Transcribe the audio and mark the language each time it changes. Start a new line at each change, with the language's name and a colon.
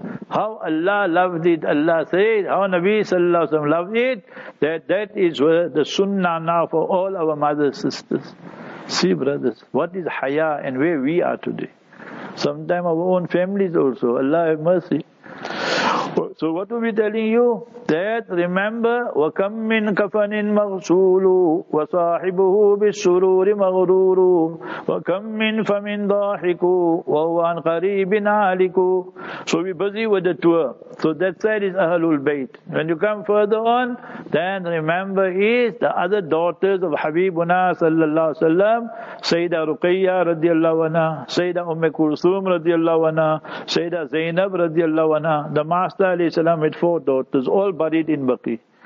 English: How Allah loved it, Allah said, how Nabi sallallahu alayhi wa sallam loved it, that is the sunnah now for all our mothers, sisters. See, brothers, what is haya and where we are today? Sometimes our own families also, Allah have mercy. So what are we telling you? That remember,
Arabic: وَكَمْ مِنْ كَفَنٍ مَغْسُولٌ وَصَاحِبُهُ بِالسُّرُورِ مَغْرُورٌ وَكَمْ مِنْ فَمِنْ ضَاحِكُ وَهُوَ عَنْ قَرِيبٍ عَالِكُ.
English: So we're busy with the tour. So that side is Ahlul Bayt. When you come further on, then remember is the other daughters of Habibuna sallallahu alayhi wa sallam, Sayyida Ruqayya radiallahu anha, Sayyida Umme Kulthum radiallahu anha, Sayyida Zainab radiallahu anha, the master alayhi salam with four daughters, all buried in Baqi.